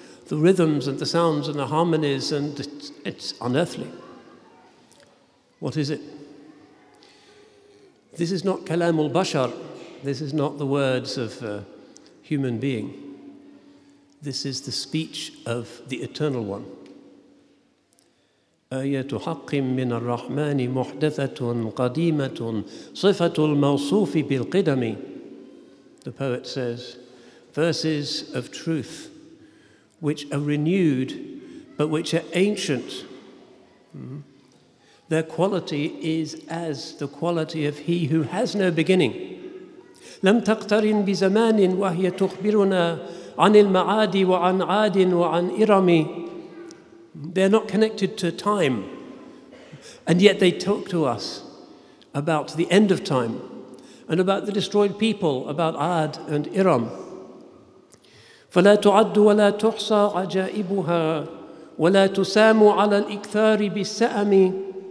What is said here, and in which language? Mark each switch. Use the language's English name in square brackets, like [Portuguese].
[English] the rhythms and the sounds and the harmonies, and it's unearthly. What is it? This is not kalam al-bashar. This is not the words of a human being. This is the speech of the Eternal One. [Arabic] آيات حق من الرحمن محدثة قديمة صفة الموصوف بالقدم. [English] The poet says, verses of truth which are renewed but which are ancient. Their quality is as the quality of he who has no beginning. [Arabic] لم تقترن بزمان وهي تخبرنا عن المعاد وعن عاد وعن إرم. [English] They're not connected to time, and yet they talk to us about the end of time and about the destroyed people, about Ad and Iram. [Arabic] فَلَا تُعَدُّ وَلَا تُحْصَى عَجَائِبُهَا وَلَا تُسَامُ عَلَى الْإِكْثَارِ بِالسَّأَمِ.